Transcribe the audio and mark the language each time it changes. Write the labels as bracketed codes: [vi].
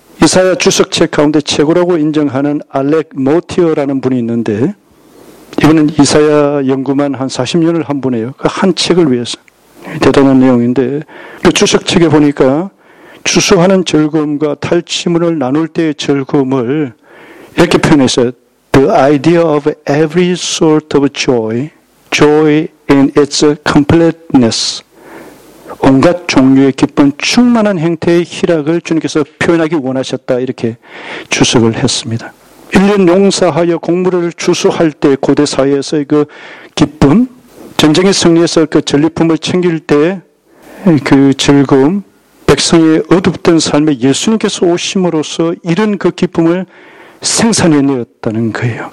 [ko] 이사야 주석책 가운데 최고라고 인정하는 알렉 모티어라는 분이 있는데 이분은 이사야 연구만 한 40년을 한 분이에요. 그 한 책을 위해서. 대단한 내용인데 그 주석책에 보니까 추수하는 즐거움과 탈취물을 나눌 때의 즐거움을 이렇게 표현했어요. [en] The idea of every sort of joy, joy in its completeness. [ko] 온갖 종류의 기쁨, 충만한 형태의 희락을 주님께서 표현하기 원하셨다. 이렇게 주석을 했습니다. 1년 농사하여 곡물을 추수할 때 고대 사회에서의 그 기쁨, 전쟁의 승리에서 그 전리품을 챙길 때 그 즐거움, 백성의 어둡던 삶에 예수님께서 오심으로써 이런 그 기쁨을 생산해내었다는 거예요.